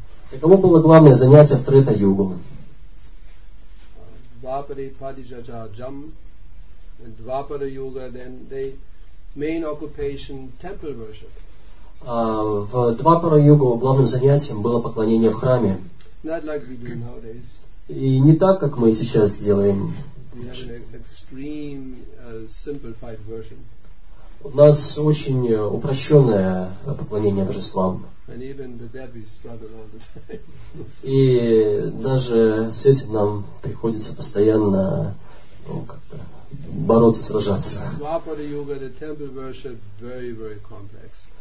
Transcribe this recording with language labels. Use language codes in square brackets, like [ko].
[ru] Таково было главное занятие в Трета Югу. [en] Dvapara Padijaja Jam and Dvapara Yuga, then the main occupation, temple worship. [ru] В Dvapara Yuga главным занятием было поклонение в храме. [en] Not like we do nowadays. [ru] И не так, как мы сейчас делаем. [en] We have an extreme simplified version. [ru] У нас очень упрощенное поклонение божествам. [en] And even the devis struggle all the time. [ru] И даже с этим нам приходится постоянно, ну, как-то бороться, сражаться. [en] Dvapara Yuga, the temple worship, very, very complex.